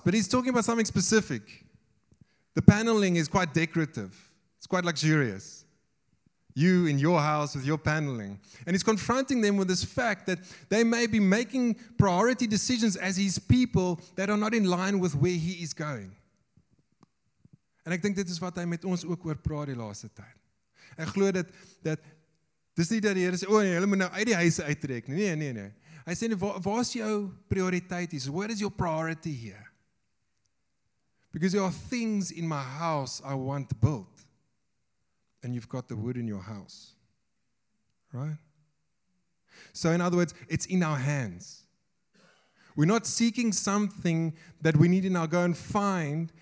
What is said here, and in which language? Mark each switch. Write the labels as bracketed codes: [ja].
[en] But He's talking about something specific. The paneling is quite decorative. It's quite luxurious. You in your house with your paneling. And He's confronting them with this fact that they may be making priority decisions as His people that are not in line with where He is going. [af] En ek dink dit is wat hy met ons ook oor praat die laaste tyd. Ek glo dat dis nie dat die Here sê, nee, hulle moet nou uit die huise uittrek nie. Nee, nee, nee. Hy sê, waar is jou prioriteit? [en] Where is your priority here? Because there are things in my house I want built. And you've got the wood in your house. Right? So in other words, it's in our hands. We're not seeking something that we need to now go and find.